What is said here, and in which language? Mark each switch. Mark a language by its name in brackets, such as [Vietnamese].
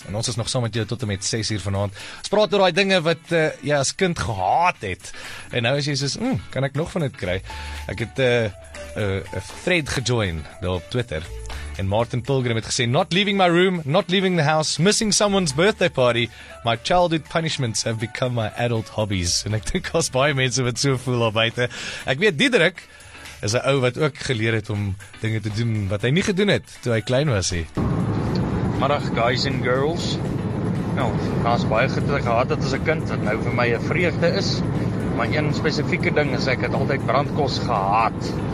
[Afrikaans] En ons is nog saam met jou tot en met 6 uur vanavond. Ons praat oor die dinge wat jy as kind gehaat het. En nou is jy soos, kan ek nog van dit kry? Ek het 'n thread gejoin daar op Twitter. En Martin Pilgrim het gesê, [English] not leaving my room, not leaving the house, missing someone's birthday party, my childhood punishments have become my adult hobbies. [Afrikaans] En ek dink as baie mense wat so voel al buite. Ek weet, Diederik is 'n ou wat ook geleer het om dinge te doen wat hy nie gedoen het toe hy klein was. Middag, [English] guys and girls. [Afrikaans] Nou, ek was baie gedruk gehad het as 'n kind, wat nou vir my 'n vreugde is. Maar een spesifieke ding is, ek het altyd brandkos gehaat.